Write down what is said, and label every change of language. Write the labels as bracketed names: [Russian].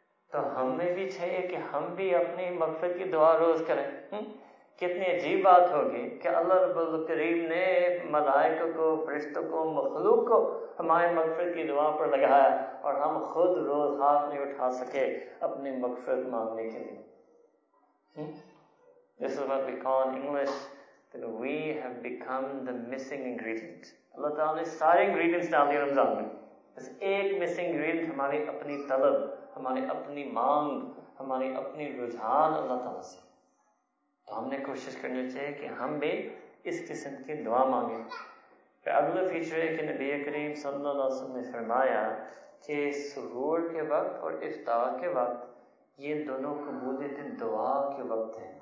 [Urdu] تو ہم میں بھی چاہیے کہ ہم بھی اپنی مغفرت کی دعا روز کریں. کتنی عجیب بات ہوگی کہ اللہ رب الکریم نے ملائکہ کو, فرشتوں کو, مخلوق کو ہمارے مغفرت کی دعا پر لگایا اور ہم خود روز ہاتھ نہیں اٹھا سکے اپنی مغفرت مانگنے کے لیے. [English] This is what we call in English that we have become the missing ingredient. [Urdu] اللہ تعالیٰ نے سارے انگریڈینٹس ڈال دیے رمضان میں, بس ایک مسنگ انگریڈینٹ ہماری اپنی طلب, ہماری اپنی مانگ, ہماری اپنی رجحان اللہ تعالیٰ سے. تو ہم نے کوشش کرنی چاہیے کہ ہم بھی اس قسم کی دعا مانگیں. پھر اگلے فیچر ہے کہ نبی کریم صلی اللہ علیہ وسلم نے فرمایا کہ سحور کے وقت اور افطار کے وقت یہ دونوں قبولیت دعا کے وقت ہیں.